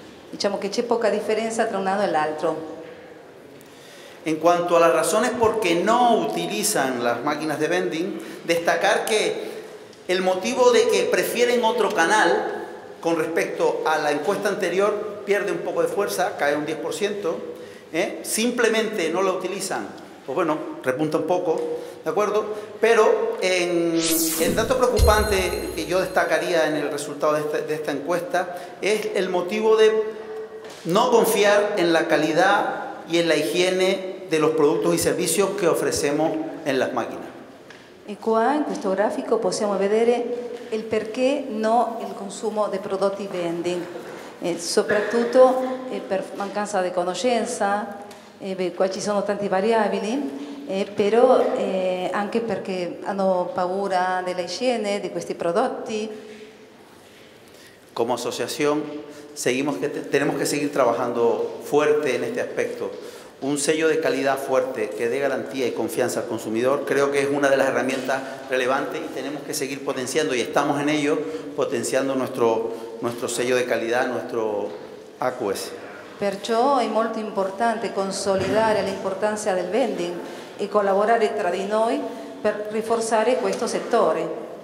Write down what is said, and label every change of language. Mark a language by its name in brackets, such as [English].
[Italian] Diciamo che c'è poca differenza tra un lato e l'altro. [Spanish] En cuanto a las razones por qué no utilizan las máquinas de vending, destacar que el motivo de que prefieren otro canal con respecto a la encuesta anterior pierde un poco de fuerza, cae un 10%, simplemente no la utilizan, pues bueno, repunta un poco, ¿de acuerdo? Pero el dato preocupante que yo destacaría en el resultado de esta encuesta es el motivo de no confiar en la calidad y en la higiene de los productos y servicios que ofrecemos en las máquinas. Y qua, en este gráfico, podemos ver el por qué no el consumo de productos vending, sobre todo por mancanza de conocimiento. [Italian] Qua ci sono tante variabili, però anche perché hanno paura dell'igiene di questi prodotti. [Spanish] Como asociación, seguimos que tenemos que seguir trabajando fuerte en este aspecto. Un sello de calidad fuerte que dé garantía y confianza al consumidor creo que es una de las herramientas relevantes y tenemos que seguir potenciando, y estamos en ello, potenciando nuestro sello de calidad, nuestro AQS. [Italian] Perciò è molto importante consolidare l'importanza del vending e collaborare tra di noi per rinforzare questo settore.